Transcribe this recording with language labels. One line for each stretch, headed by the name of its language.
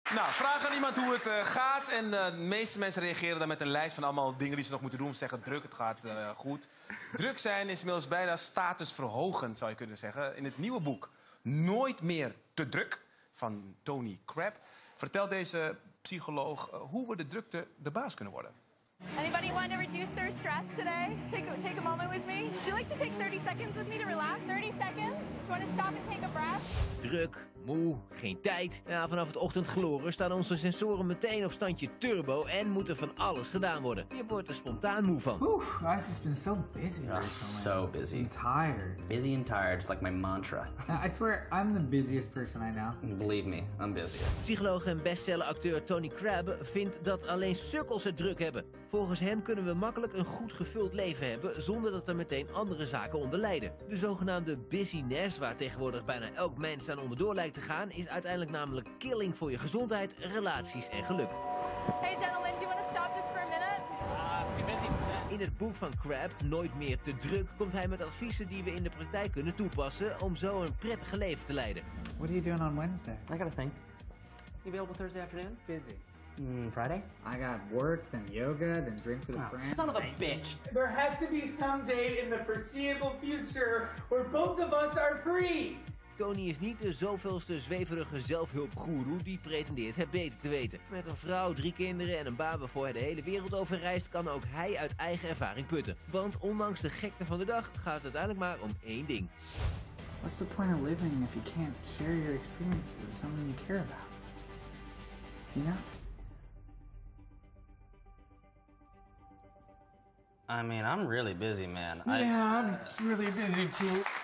Dutch: Nou, vraag aan iemand hoe het gaat. En de meeste mensen reageren dan met een lijst van allemaal dingen die ze nog moeten doen. Ze zeggen druk, het gaat goed. Druk zijn is inmiddels bijna statusverhogend, zou je kunnen zeggen. In het nieuwe boek Nooit meer te druk van Tony Crabb vertelt deze psycholoog hoe we de drukte de baas kunnen worden.
English: Anybody want to reduce their stress today? Take a moment with me. Would you like to take 30 seconds with me to relax? 30 seconds? You want to stop and take a breath?
Dutch: Druk, moe, geen tijd. Ja, vanaf het ochtendgloren staan onze sensoren meteen op standje turbo en moet er van alles gedaan worden. Je wordt er spontaan moe van.
English: Oeh, I've just been so busy. So busy. I'm tired. Busy and tired, it's like my mantra. I swear, I'm the busiest person I know. Believe me, I'm busy.
Dutch: Psycholoog en bestselleracteur Tony Crabb vindt dat alleen sukkels het druk hebben. Volgens hem kunnen we makkelijk een goed gevuld leven hebben zonder dat er meteen andere zaken onder lijden. De zogenaamde busyness, waar tegenwoordig bijna elk mens aan onderdoor lijkt te gaan, is uiteindelijk namelijk killing voor je gezondheid, relaties en geluk.
English: Hey gentlemen, do you want to stop this for a minute?
Dutch: In het boek van Crabb, Nooit meer te druk, komt hij met adviezen die we in de praktijk kunnen toepassen om zo een prettige leven te leiden.
English: What are you doing on Wednesday? I got a thing. You available Thursday afternoon? Busy. Friday? I got work, then yoga, then drinks with a friend. Son of a bitch! There has to be some day in the foreseeable future where both of us are free!
Dutch: Tony is niet de zoveelste zweverige zelfhulpgoeroe die pretendeert het beter te weten. Met een vrouw, drie kinderen en een baan waarvoor hij de hele wereld overreist, kan ook hij uit eigen ervaring putten. Want ondanks de gekte van de dag gaat het uiteindelijk maar om één ding.
English: What's the point of living if you can't share your experiences with someone you care about? You know? I mean, I'm really busy, man. Yeah, I'm really busy, too.